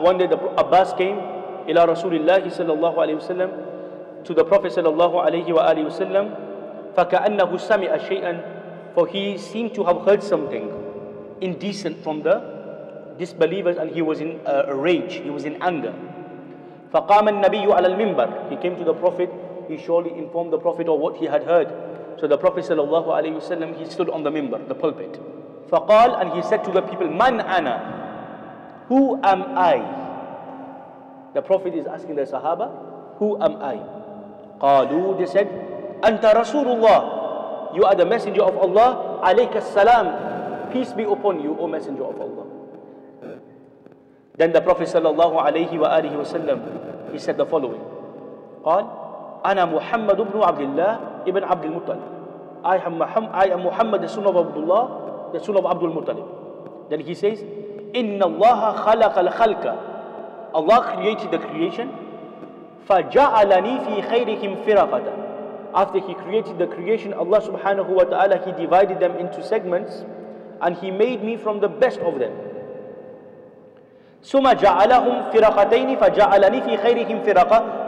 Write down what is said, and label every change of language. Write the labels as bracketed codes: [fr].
[en] One day the Abbas came [ar] إلى رسول الله صلى الله عليه وسلم, [en] to the Prophet [ar] صلى الله عليه وآله وسلم. فكأنه سمع شيئا, [en] for he seemed to have heard something indecent from the disbelievers, and he was in rage, he was in anger. [ar] فقام النبي على المنبر. [en] He came to the Prophet, he surely informed the Prophet of what he had heard. So the Prophet صلى الله عليه وسلم, he stood on the minbar, the pulpit. فقال, and he said to the people, [ar] من أنا. [en] Who am I? The Prophet is asking the Sahaba, who am I? [ar] قالوا, [en] they said, [ar] أنت رسول الله. [en] You are the messenger of Allah. [ar] عليك السلام. [en] Peace be upon you, O messenger of Allah. Then the Prophet sallallahu alayhi wa alihi wa sallam, he said the following. [ar] قال, أنا محمد بن عبد الله ابن عبد المطلب. [en] I am Muhammad, the son of Abdullah, the son of Abdul Muttalib. Then he says, [ar] إِنَّ اللَّهَ خَلَقَ الْخَلْقَ. [en] Allah created the creation. [ar] فَجَعَلَنِي فِي خَيْرِهِمْ فِرَقَةً. [en] After He created the creation, Allah subhanahu wa ta'ala, He divided them into segments, and He made me from the best of them. [ar] ثُمَّ جَعَلَهُمْ فِرَقَتَيْنِ فَجَعَلَنِي فِي خَيْرِهِمْ فِرَقَةً.